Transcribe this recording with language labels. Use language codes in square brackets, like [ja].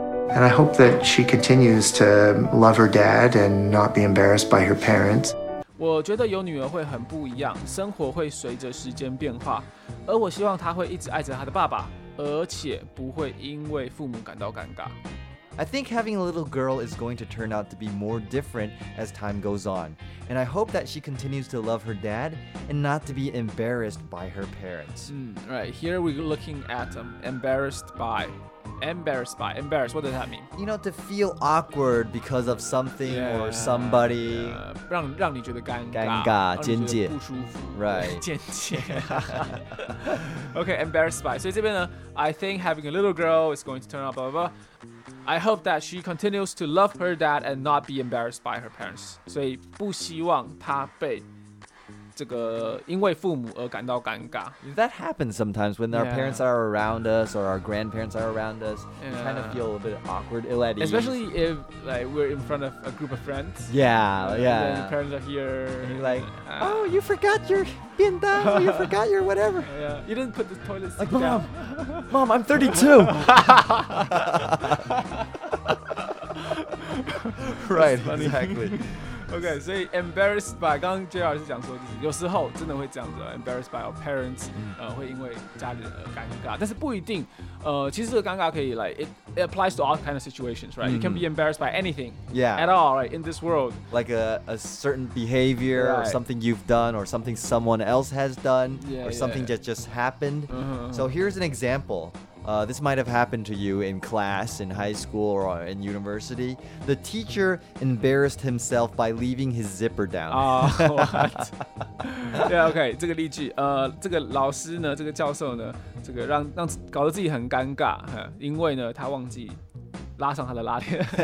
[en] And I hope that she continues to love her dad and not be embarrassed by her parents. [zh] 我觉得有女儿会很不一样, 生活会随着时间变化, 而我希望她会一直爱着她的爸爸, 而且不会因为父母感到尴尬。 [en] I think having a little girl is going to turn out to be more different as time goes on. And I hope that she continues to love her dad and not to be embarrassed by her parents. Right, here we're looking at embarrassed by. Embarrassed by. Embarrassed, what does that mean? You know, to feel awkward because of something or somebody. [zh] Yeah. 让你觉得尴尬, 尴尬,让你觉得不舒服。Right. [en] 尖尖。Okay, embarrassed by. [zh] 所以这边呢, [en] I think having a little girl is going to turn out blah, blah, blah. I hope that she continues to love her dad and not be embarrassed by her parents. [zh] 所以不希望她被这个因为父母而感到尴尬。 [en] That happens sometimes when our parents are around us or our grandparents are around us. You kind of feel a bit awkward, ill at ease. Especially if like we're in front of a group of friends. Yeah, yeah. And your parents are here. And you're like, oh, you forgot your bintang, you forgot your whatever. Yeah. You didn't put the toilet seat like, down. Mom, mom, I'm 32. Right, exactly. [zh] Okay, so embarrassed by, 刚刚 JR 是讲说就是有时候真的会这样子 [en] embarrassed by our parents, [zh] 会因为家里的尴尬，但是不一定，其实这个尴尬可以 [en] like, it applies to all kinds of situations, right? You can be embarrassed by anything, at all, right, in this world. Like a certain behavior, or something you've done, or something someone else has done, or something that just happened. So here's an example. This might have happened to you in class, in high school, or in university. The teacher embarrassed himself by leaving his zipper down. Oh, what? [zh] Yeah, okay, 这个例句，这个老师呢，这个教授呢，这个让搞得自己很尴尬，因为呢，他忘记拉上他的拉链。